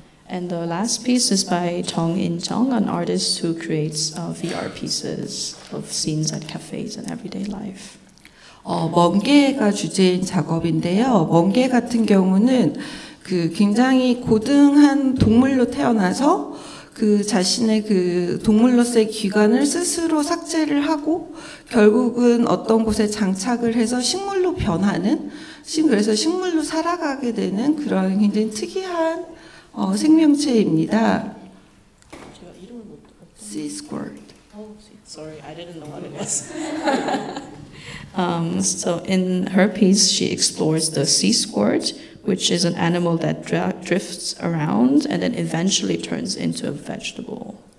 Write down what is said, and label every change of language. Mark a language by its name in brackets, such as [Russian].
[English] And the last piece is by Chong In Jung, an artist who creates VR pieces of scenes at cafes and everyday life. [Korean] 멍게가 주제인 작업인데요. 멍게 같은 경우는 그 굉장히 고등한 동물로 태어나서 그 자신의 그 동물로서의 기관을 스스로 삭제를 하고 결국은 어떤 곳에 장착을 해서 식물로 변하는, 그래서 식물로 살아가게 되는 그런 굉장히 특이한 생명체입니다. 제가 이름을 못 들었어요. [English] Sea squirt. Oh, sorry, I didn't know what it was. So in her piece, she explores the sea squirt, which is an animal that drifts around and then eventually turns into a vegetable.